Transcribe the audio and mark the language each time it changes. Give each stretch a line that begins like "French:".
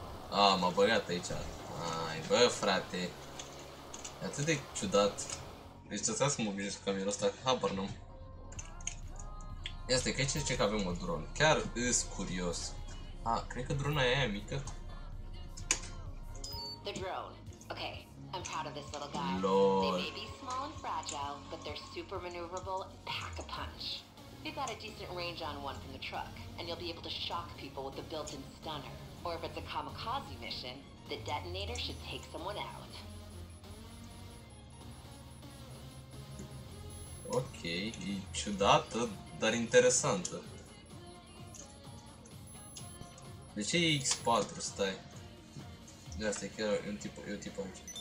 Romanian: Ah, m-a băgat aici. Ai, bă, frate. E atât de ciudat. Deci ăsta să mă obișnuiesc cu camerul ăsta, habar n-am. Este că aici zice că avem o dronă. Chiar îs curios. A, cred că drona e aia mică.
English: The drone. Okay, I'm proud of this little guy. Lord. They may be small and fragile, but they're super maneuverable and pack a punch. You've got a decent range on one from the truck, and you'll be able to shock people with the built-in stunner. Or if it's a kamikaze mission, the detonator should take someone out.
Romanian: Ok, e ciudată, dar interesantă. De ce e X4, stai? De asta e chiar un tip, e un tip aici.